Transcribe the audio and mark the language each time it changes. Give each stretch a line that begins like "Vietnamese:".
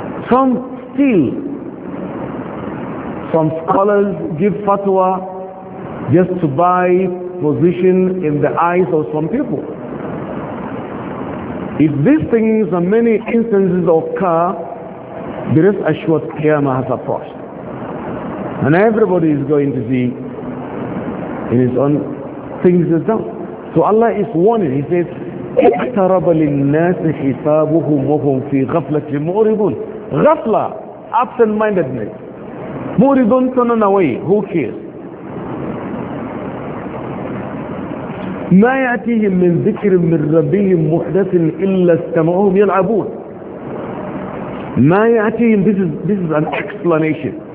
English: Some steal. Some scholars give fatwa just to buy position in the eyes of some people. If these things and many instances occur, there is assured Qiyamah has approached. And everybody is going to see in his own things as done. So Allah is warning, he says,
Arabic: اَقْتَرَبَ لِلنَّاسِ حِسَابُهُمْ وَهُمْ فِي غَفْلَةٍ مُؤْرِضُونَ.
English: غَفْلَة, absent-mindedness. مُؤْرِضُونَ, turn away, who cares?
Arabic: مَا يَأْتِهِمْ مِنْ ذِكْرٍ مِنْ رَبِّهِمْ مُحْدَثٍ إِلَّا اسْتَمَعُهُمْ يَلْعَبُونَ. ما يأتيهم,
English: this is an explanation.